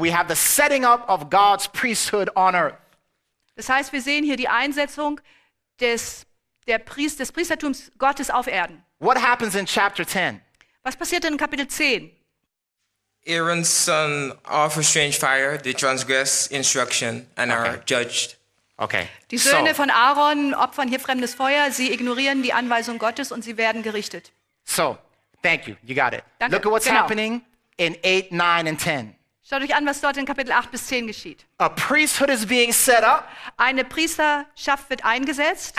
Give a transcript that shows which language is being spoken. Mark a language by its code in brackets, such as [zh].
[en] We have the setting up of God's priesthood on earth. [de] Das heißt, wir sehen hier die Einsetzung des Priestertums Gottes auf Erden. [en] What happens in chapter 10? [de] Was passiert denn in Kapitel 10? [en] Aaron's son offers strange fire, they transgress instruction and are judged. Okay. [de] Die Söhne von Aaron opfern hier fremdes Feuer, sie ignorieren die Anweisung Gottes und sie werden gerichtet. [en] So, thank you, you got it. [de] Danke. [en] Look at what's happening in 8, 9 and 10. [de] Schaut euch an, was dort in Kapitel 8 bis 10 geschieht. [en] A priesthood is being set up. [de] Eine Priesterschaft wird eingesetzt.